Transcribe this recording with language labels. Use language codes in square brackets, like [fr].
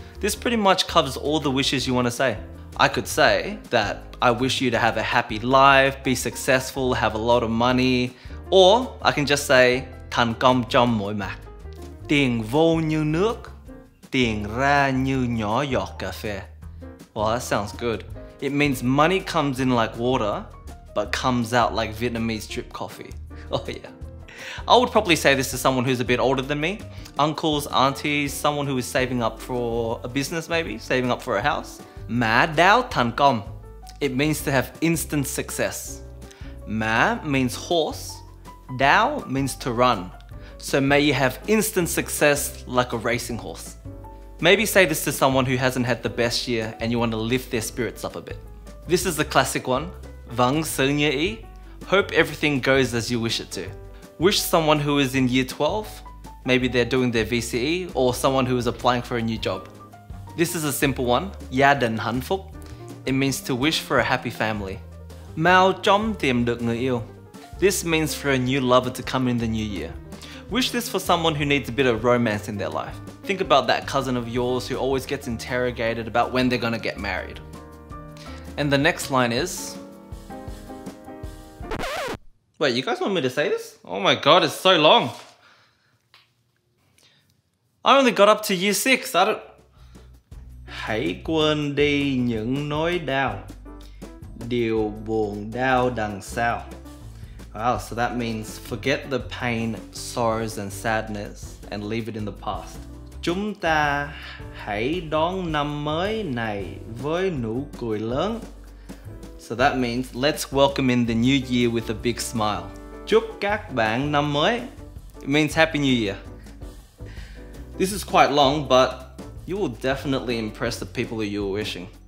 [en] This pretty much covers all the wishes you want to say. I could say that I wish you to have a happy life, be successful, have a lot of money, or I can just say [vi] thành công trong mọi mặt. Tiền vô như nước, tiền ra như nhỏ giọt cà phê. [en] Well, that sounds good. It means money comes in like water, but comes out like Vietnamese drip coffee. Oh yeah. I would probably say this to someone who's a bit older than me. Uncles, aunties, someone who is saving up for a business maybe, saving up for a house. [vi] Má đào thành công. [en] It means to have instant success. Má means horse. Đào means to run. So may you have instant success like a racing horse. Maybe say this to someone who hasn't had the best year and you want to lift their spirits up a bit. This is the classic one. [vi] Vâng sư như ý. [en] Hope everything goes as you wish it to. Wish someone who is in year 12, maybe they're doing their VCE, or someone who is applying for a new job. This is a simple one, [vi] gia đình hạnh phúc. [en] It means to wish for a happy family. [vi] Mau chóng tìm được người yêu. [en] This means for a new lover to come in the new year. Wish this for someone who needs a bit of romance in their life. Think about that cousin of yours who always gets interrogated about when they're gonna get married. And the next line is, wait, you guys want me to say this? Oh my God, it's so long. I only got up to year 6, I don't... [vi] Hãy quên đi những nỗi đau, điều buồn đau đằng sau. [en] Wow, so that means forget the pain, sorrows and sadness and leave it in the past. [vi] Chúng ta hãy đón năm mới này với nụ cười lớn. [en] So that means, let's welcome in the new year with a big smile. [vi] Chúc các bạn năm mới. [en] It means Happy New Year. This is quite long, but you will definitely impress the people who you are wishing.